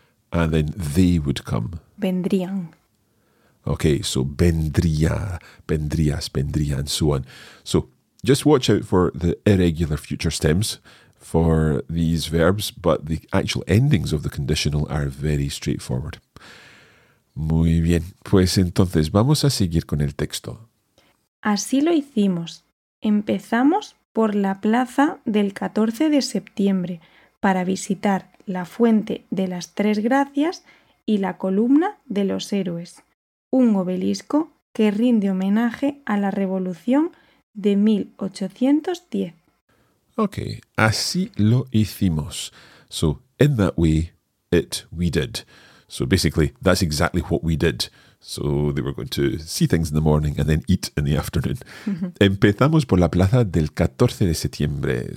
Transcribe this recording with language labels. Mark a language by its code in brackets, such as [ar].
[en] And then they would come. [es] Vendrían. [en] Okay, so vendría, vendrías, vendría, and so on. So just watch out for the irregular future stems for these verbs, but the actual endings of the conditional are very straightforward. [es] Muy bien, pues entonces vamos a seguir con el texto. Así lo hicimos. Empezamos por la plaza del 14 de septiembre para visitar la Fuente de las Tres Gracias y la Columna de los Héroes, un obelisco que rinde homenaje a la Revolución de 1810. [en] Okay, [es] así lo hicimos. [en] So, in that way, it we did. So basically, that's exactly what we did. So they were going to see things in the morning and then eat in the afternoon. [es] Empezamos por la plaza del 14 de septiembre.